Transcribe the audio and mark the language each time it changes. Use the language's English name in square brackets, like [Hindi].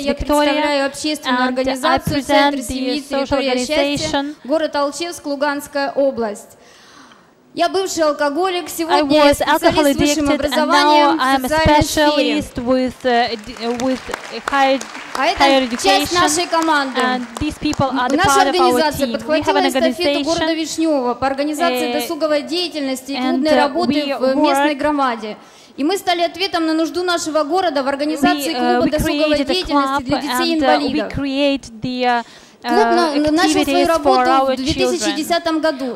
[Russian] Я представляю общественную организацию Центр семьи, территория счастья, город Алчевск, Луганская область. Я бывший алкоголик, сегодня я специалист с высшим образованием в социальной сфере. [English] higher education, and these people are the part of our team. We have an [Russian] organization, по организации досуговой деятельности и клубной работы в местной громаде. И мы стали ответом на нужду нашего города в организации клуба досуговой деятельности для детей-инвалидов. Клуб начал свою работу в 2010 году.